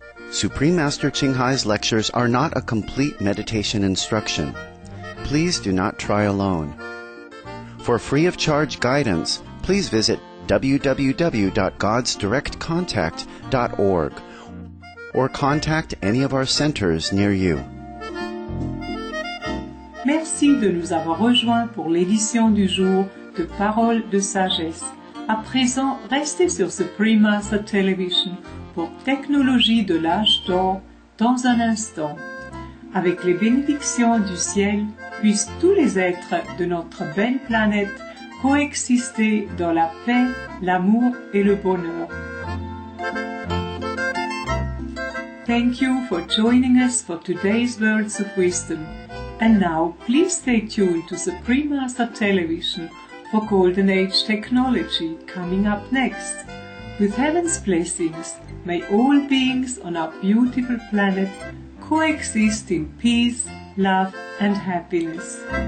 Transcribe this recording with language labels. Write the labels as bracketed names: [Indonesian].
[English] Supreme Master Qinghai's lectures are not a complete meditation instruction. Please do not try alone. For free of charge guidance, please visit www.godsdirectcontact.org or contact any of our centers near you. [French] Merci de nous avoir rejoints pour l'édition du jour de Paroles de Sagesse. À présent, restez sur Supremacy Television pour Technologie de l'âge d'or dans un instant. Avec les bénédictions du ciel, puissent tous les êtres de notre belle planète coexister dans la paix, l'amour et le bonheur. [English] Thank you for joining us for today's Words of Wisdom. And now, please stay tuned to Supremacy Television for Golden Age Technology coming up next. With heaven's blessings, may all beings on our beautiful planet coexist in peace, love, and happiness.